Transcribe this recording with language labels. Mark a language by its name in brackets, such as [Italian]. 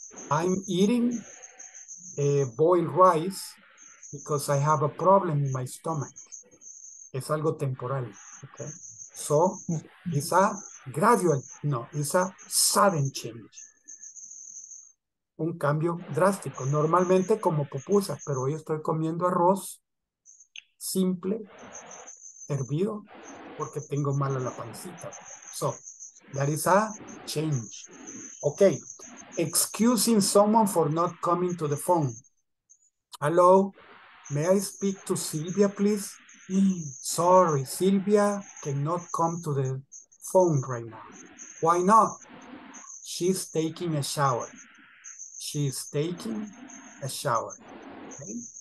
[English] I'm eating boiled rice because I have a problem in my stomach. [Spanish] Es algo temporal. [English] Okay. So it's a gradual, no, it's a sudden change. [Spanish] Un cambio drástico. Normalmente como pupusas, pero hoy estoy comiendo arroz simple, hervido, porque tengo mala la pancita. [English] So that is a change. Okay. Excusing someone for not coming to the phone. Hello, may I speak to Silvia, please? Sorry, Silvia cannot come to the phone right now. Why not? She's taking a shower. She's taking a shower. Okay?